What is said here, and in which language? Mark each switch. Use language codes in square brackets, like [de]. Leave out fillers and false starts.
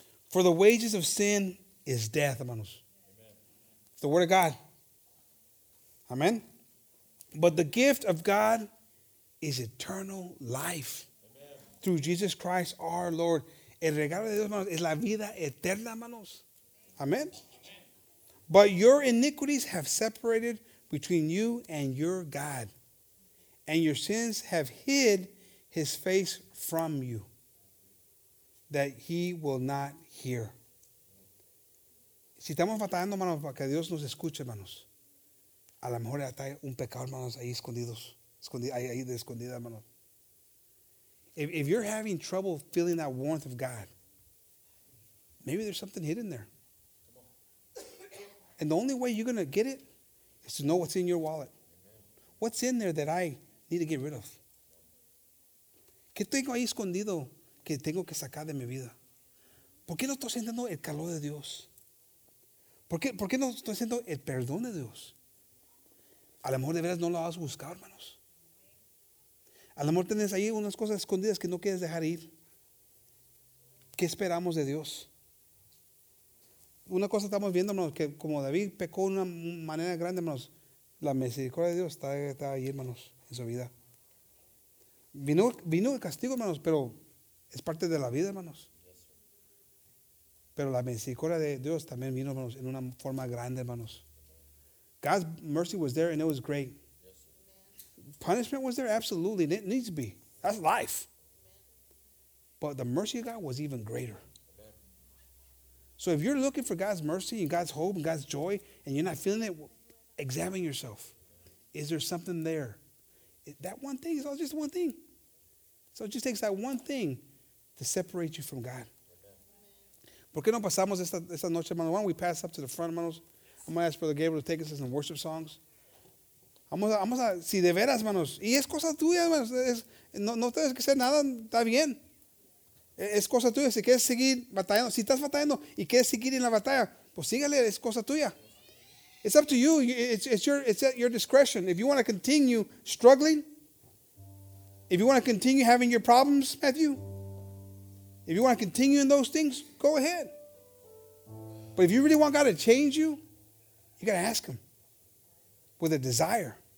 [en] For the wages of sin is death, hermanos. Amen. The word of God. Amen. But the gift of God is eternal life. Amen. Through Jesus Christ our Lord. [es] El regalo de Dios, hermanos, es la vida eterna, hermanos. [en] Amen. But your iniquities have separated between you and your God. And your sins have hid his face from you, that he will not hear. [es] Si estamos batallando, hermanos, para que Dios nos escuche, hermanos. A lo mejor está un pecado, hermanos, ahí escondidos. Ahí de escondida, hermanos. [en] If you're having trouble feeling that warmth of God, maybe there's something hidden there. And the only way you're going to get it is to know what's in your wallet. Amen. What's in there that I need to get rid of? [es] ¿Qué tengo ahí escondido que tengo que sacar de mi vida? ¿Por qué no estoy sintiendo el calor de Dios? ¿Por qué no estoy sintiendo el perdón de Dios? A lo mejor de veras no lo has buscado, hermanos. A lo mejor tienes ahí unas cosas escondidas que no quieres dejar ir. ¿Qué esperamos de Dios? Una cosa estamos viendo, hermanos, que como David pecó de una manera grande, hermanos, la misericordia de Dios está ahí, hermanos, en su vida. Vino el castigo, hermanos, pero es parte de la vida, hermanos. Pero la misericordia de Dios también vino, hermanos, en una forma grande, hermanos. [en] God's mercy was there and it was great. Punishment was there, absolutely, and it needs to be. That's life. But the mercy of God was even greater. So if you're looking for God's mercy and God's hope and God's joy and you're not feeling it, examine yourself. Is there something there? That one thing is all just one thing. So it just takes that one thing to separate you from God. [es] ¿Por qué no pasamos esta noche, hermanos? [en] Why don't we pass up to the front, hermanos? I'm going to ask Brother Gabriel to take us in some worship songs. [es] Vamos a, si de veras, hermanos. Y es cosa tuya, hermanos. No tienes que hacer nada, está bien. Es cosa tuya, si quieres seguir batallando, si estás batallando y quieres seguir en la batalla, pues sígale, es cosa tuya. [en] It's up to you, it's at your discretion. If you want to continue struggling, if you want to continue having your problems, Matthew, if you want to continue in those things, go ahead. But if you really want God to change you, you got to ask him with a desire.